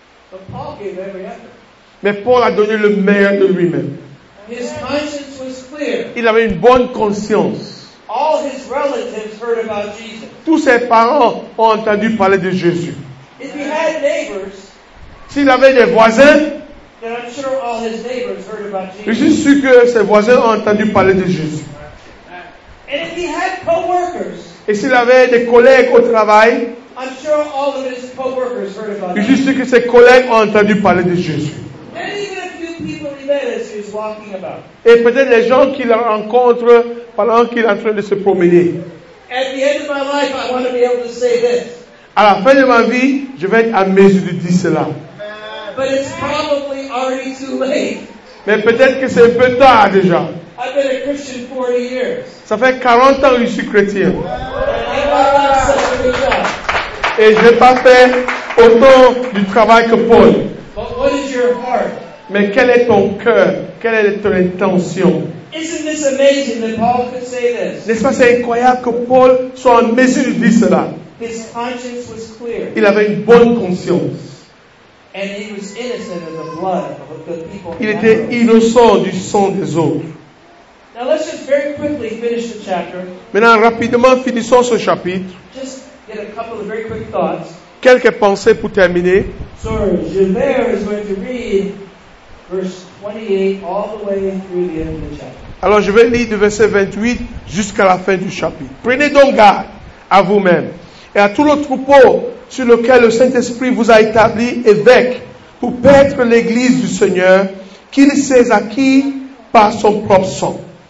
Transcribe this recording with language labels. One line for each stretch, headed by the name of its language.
English: But Paul gave every effort.
French: Mais Paul a donné le meilleur de lui-même.
English: His conscience was clear.
French: Il avait une bonne conscience.
English: All his relatives heard about Jesus.
French: Tous ses parents ont entendu parler de Jésus.
English: If he had neighbors,
French: s'il avait des voisins,
English: I'm sure all his neighbors heard about Jesus.
French: Je suis sûr que ses voisins ont entendu parler de Jésus.
English: And if he had co-workers,
French: et s'il avait des collègues au travail,
English: I'm sure all of his co-workers heard about
French: je suis sûr que ses collègues ont entendu parler de Jésus.
English: And even a few people he met as he
French: Et peut-être les gens qu'il rencontre pendant qu'il est en train de se promener. À la fin de ma vie, je vais être à mesure de dire cela.
English: But it's probably already too late.
French: Mais peut-être que c'est un peu tard déjà.
English: I've been a Christian 40 years.
French: Ça fait 40 ans que je suis chrétien.
English: Wow.
French: Et je n'ai pas fait autant du travail que Paul.
English: But what is your heart?
French: Mais quel est ton cœur? Quelle est ton intention?
English: Isn't this amazing that Paul could say this?
French: N'est-ce pas c'est incroyable que Paul soit en mesure de dire cela?
English: His conscience was clear.
French: Il avait une bonne conscience.
English: And he was innocent of the blood of the people.
French: Il était innocent du sang des autres.
English: Now let's just very quickly finish the chapter.
French: Maintenant, rapidement, finissons ce chapitre.
English: Just get a couple of very quick thoughts.
French: Quelques pensées pour terminer.
English: So, Gilbert is going to read verse 28 all the way through the end of the chapter.
French: Alors, je vais lire du verset 28 jusqu'à la fin du chapitre. Prenez donc garde à vous-même et à tout le troupeau sur lequel le Saint-Esprit vous a établi évêque pour paître l'Église du Seigneur, qu'il s'est acquis par son propre sang.